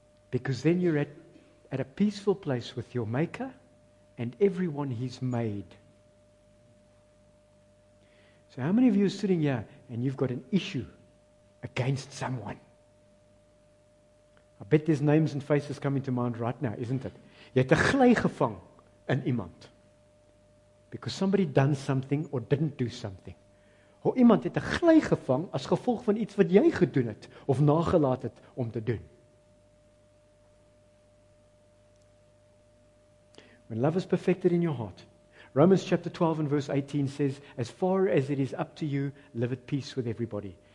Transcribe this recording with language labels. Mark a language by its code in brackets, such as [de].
[en] Because then you're at a peaceful place with your Maker and everyone He's made. So how many of you are sitting here and you've got an issue against someone? I bet there's names and faces coming to mind right now, isn't it? [af] Jy het 'n gly gevang in iemand. [en] Because somebody done something or didn't do something. [af] Of iemand het 'n gly gevang as gevolg van iets wat jy gedoen het of nagelaat het om te doen. [en] When love is perfected in your heart, Romans chapter 12 and verse 18 says, as far as it is up to you, live at peace with everybody.